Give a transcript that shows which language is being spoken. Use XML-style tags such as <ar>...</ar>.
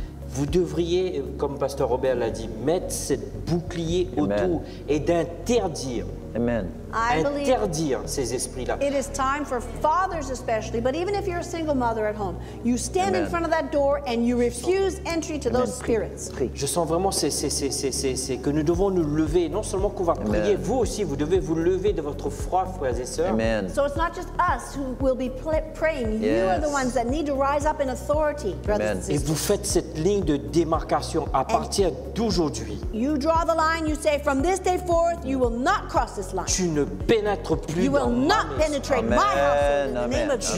<fr>Vous devriez, comme Pasteur Robert l'a dit, mettre ce bouclier autour et d'interdire. Amen. Interdire ces esprits-là.</fr> <en>It is time for fathers especially, but even if you're a single mother at home, you stand in front of that door and you refuse entry to those spirits.</en> <fr>Je sens vraiment c'est que nous devons nous lever, non seulement qu'on va prier, vous aussi, vous devez vous lever de votre froid, frères et sœurs. Amen.</fr> <en>So it's not just us who will be praying. You are the ones that need to rise up in authority, brothers and sisters.</en> <fr>Et vous faites cette ligne de démarcation à partir d'aujourd'hui.</fr> <en>You draw the line, you say from this day forth you will not cross this line.</en> <fr>Tu ne pénètre plus</fr> <en>you will</en> <fr>dans</fr> <en>not</en> <fr>ma</fr> <en>penetrate my house in the name of Jesus.</en>